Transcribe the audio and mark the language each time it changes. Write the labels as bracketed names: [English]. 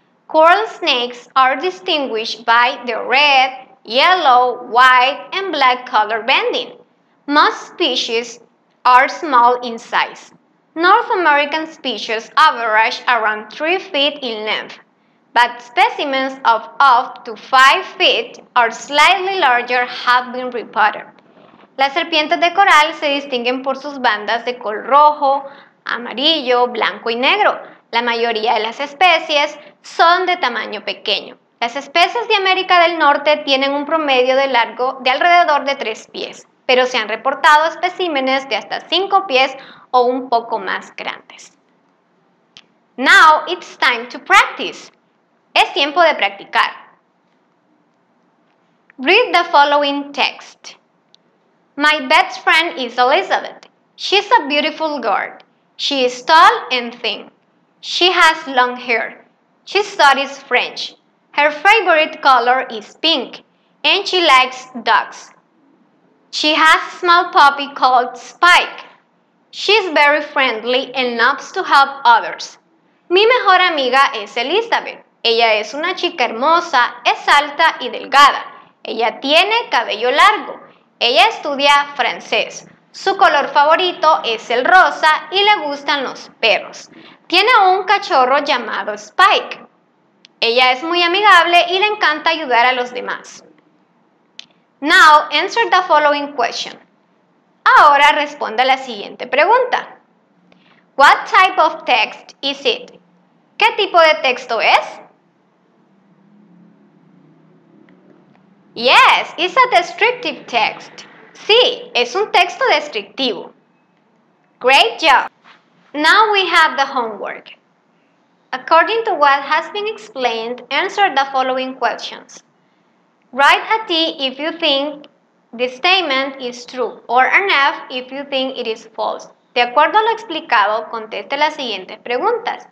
[English] Coral snakes are distinguished by their red, yellow, white, and black color banding. Most species are small in size. North American species average around 3 feet in length, but specimens of up to 5 feet or slightly larger have been reported. [Spanish] Las serpientes de coral se distinguen por sus bandas de color rojo, amarillo, blanco y negro. La mayoría de las especies son de tamaño pequeño. Las especies de América del Norte tienen un promedio de largo de alrededor de 3 pies, pero se han reportado especímenes de hasta 5 pies o un poco más grandes. [English] Now it's time to practice. [Spanish] Es tiempo de practicar. [English] Read the following text. My best friend is Elizabeth. She's a beautiful girl. She is tall and thin. She has long hair. She studies French. Her favorite color is pink, and she likes dogs. She has a small puppy called Spike. She's very friendly and loves to help others. [Spanish] Mi mejor amiga es Elizabeth. Ella es una chica hermosa, es alta y delgada. Ella tiene cabello largo. Ella estudia francés. Su color favorito es el rosa y le gustan los perros. Tiene un cachorro llamado Spike. Ella es muy amigable y le encanta ayudar a los demás. [English] Now, answer the following question. [Spanish] Ahora responda la siguiente pregunta. [English] What type of text is it? [Spanish] ¿Qué tipo de texto es? [English] Yes, it's a descriptive text. [Spanish] Sí, es un texto descriptivo. [English] Great job! Now we have the homework. According to what has been explained, answer the following questions. Write a T if you think the statement is true, or an F if you think it is false. [Spanish] De acuerdo a lo explicado, conteste las siguientes preguntas.